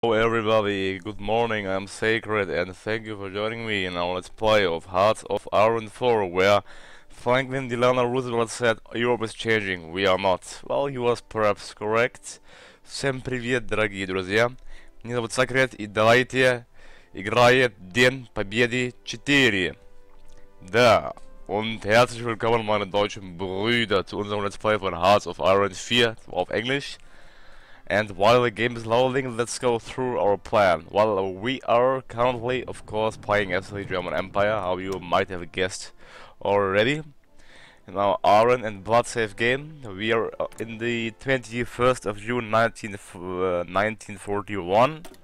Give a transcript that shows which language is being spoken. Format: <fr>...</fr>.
<en>everybody, good morning, I'm Sacred, and thank you for joining me in our let's play of Hearts of Iron 4, where Franklin Delano Roosevelt said, Europe is changing, we are not. Well, he was perhaps correct.</en> <ru>Всем привет, дорогие друзья. Меня зовут Сакрет, и давайте играем День Победы 4.</ru> <de>Да, und herzlich willkommen, meine deutschen Brüder, zu unserem</de> <en>let's play</en> <de>von Hearts of Iron 4, auf Englisch.</de> <en>And while the game is loading, let's go through our plan. Well, we are currently, of course, playing as the German Empire, how you might have guessed already. In our iron and blood safe game, we are in the 21st of June 1941.</en>